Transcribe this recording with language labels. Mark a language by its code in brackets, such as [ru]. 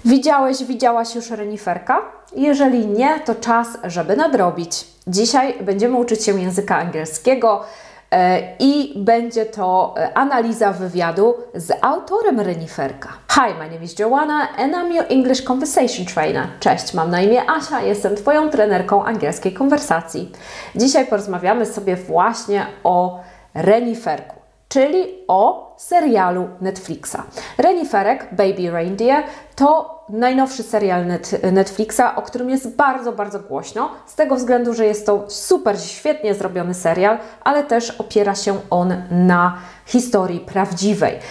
[pl] Widziałeś, widziałaś już reniferka? Jeżeli nie, to czas, żeby nadrobić. Dzisiaj będziemy uczyć się języka angielskiego i będzie to analiza wywiadu z autorem reniferka. [en] Hi, my name is Joanna and I'm your English conversation trainer. [pl] Cześć, mam na imię Asia, jestem Twoją trenerką angielskiej konwersacji. Dzisiaj porozmawiamy sobie właśnie o reniferku, czyli o serialu Netflixa. Reniferek, Baby Reindeer, to najnowszy serial Netflixa, o którym jest bardzo, bardzo głośno, z tego względu, że jest to super, świetnie zrobiony serial, ale też opiera się on na historii prawdziwej.